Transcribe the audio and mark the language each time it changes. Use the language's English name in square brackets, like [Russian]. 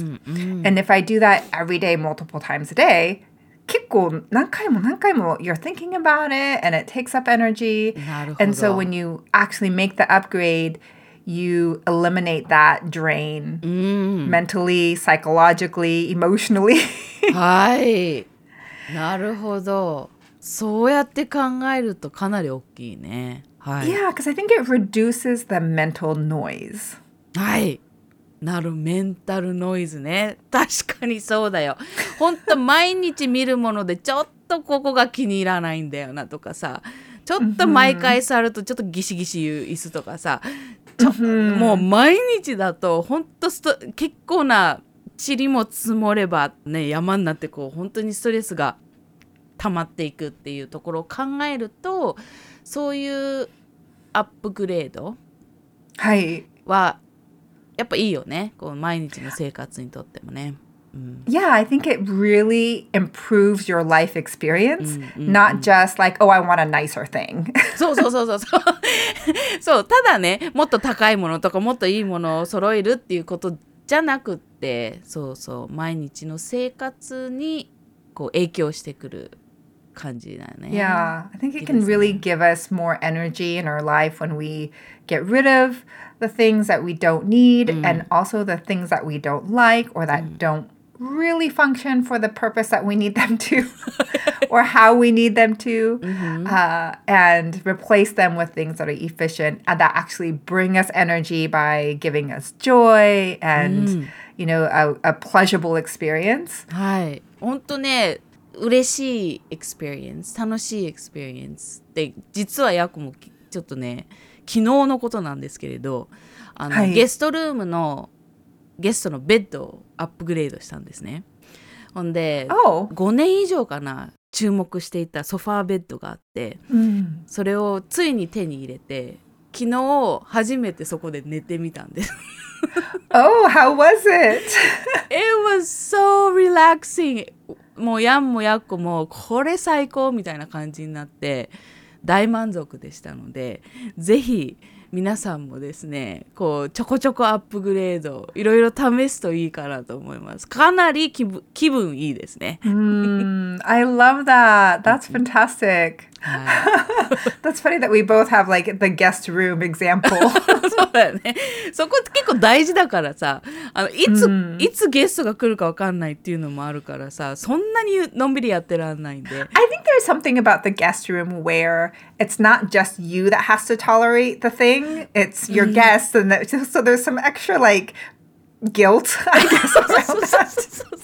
[English] And if I do that every day, multiple times a day, [Japanese] 結構何回も何回も [English] you're thinking about it and it takes up energy. And so when you actually make the upgrade, you eliminate that drain mentally, psychologically, emotionally. [Japanese] はい。なるほど。そうやって考えるとかなり大きいね。はい、 yeah, because I think it reduces the mental noise. はい。なる、メンタルノイズね。確かにそうだよ。本当毎日見るものでちょっとここが気に入らないんだよなとかさ。ちょっと毎回座るとちょっとギシギシ言う椅子とかさ。もう毎日だと本当結構な塵も積もればね、山になってこう本当にストレスが溜まっていくっていうところを考えると、そういうアップグレードはい、はやっぱいいよね、こう毎日の生活にとってもね。 [English] Yeah, I think it really improves your life experience, not just like, oh, I want a nicer thing. [Japanese] そうそうそうそう。そう、ただね、もっと高いものとかもっといいものを揃えるっていうことじゃなくって、そうそう、毎日の生活にこう影響してくる感じだね。 [English] Yeah, I think it can really give us more energy in our life when we get rid of the things that we don't need, and also the things that we don't like or that don't really function for the purpose that we need them to or how we need them to, and replace them with things that are efficient and that actually bring us energy by giving us joy and, you know, a pleasurable experience. [Japanese] はい、本当ね、嬉しいエクスペリエンス、楽しいエクスペリエンスって実はヤコもちょっとね、昨日のことなんですけれど、あの、ゲストルームのゲストのベッドをアップグレードしたんですね。ほんで、5年以上かな注目していたソファーベッドがあって、それをついに手に入れて、昨日初めてそこで寝てみたんです。 [English] Oh, how was it? It was so relaxing. [Japanese] もうやんもやっこもこれ最高みたいな感じになって大満足でしたので、ぜひ皆さんもですね、こうちょこちょこアップグレードいろいろ試すといいかなと思います。かなり気分いいですね。 [English] I love that. That's fantastic. That's funny that we both have like the guest room example. [Japanese] そうだね、そこ結構大事だからさ、あの、いつ、いつゲストが来るか分かんないっていうのもあるからさ、そんなにのんびりやってらんないんで。 [English] I think there's something about the guest room where it's not just you that has to tolerate the thingIt's your guests, and that, so there's some extra like guilt, I guess, around that.